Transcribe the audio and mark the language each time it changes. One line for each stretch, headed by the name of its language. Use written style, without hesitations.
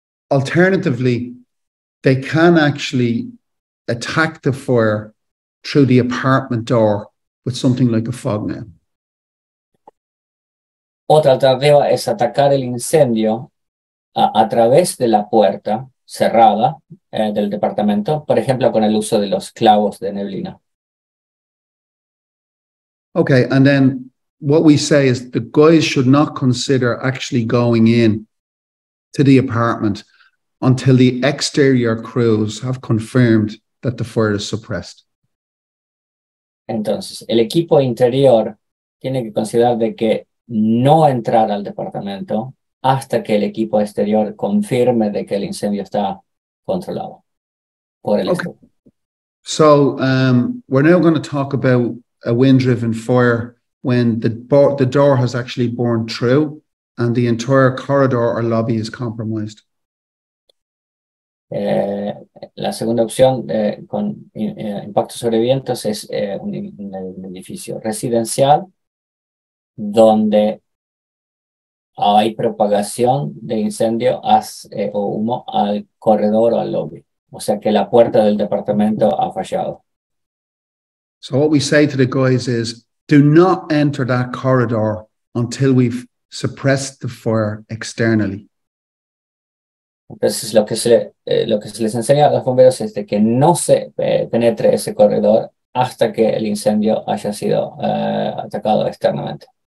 English: Alternatively, they can actually attack the fire through the apartment door with something like a fog net.
Spanish: Otra alternativa es atacar el incendio a través de la puerta cerrada del departamento, por ejemplo, con el uso de los clavos de neblina.
English: Okay, and then what we say is the guys should not consider actually going in to the apartment until the exterior crews have confirmed that the fire is suppressed.
Spanish: Entonces, el equipo interior tiene que considerar de que no entrar al departamento hasta que el equipo exterior confirme de que el incendio está controlado por el equipo.
English: So, we're now going to talk about a wind-driven fire when the door has actually burned through and the entire corridor or lobby is compromised.
Spanish: La segunda opción con impacto sobre vientos es un edificio residencial donde hay propagación de incendio o humo al corredor o al lobby. O sea que la puerta del departamento ha fallado.
English: So what we say to the guys is, do not enter that corridor until we've suppressed the fire externally.
Spanish: Entonces lo que se les enseña a los bomberos es de que no se penetre ese corredor hasta que el incendio haya sido atacado externamente.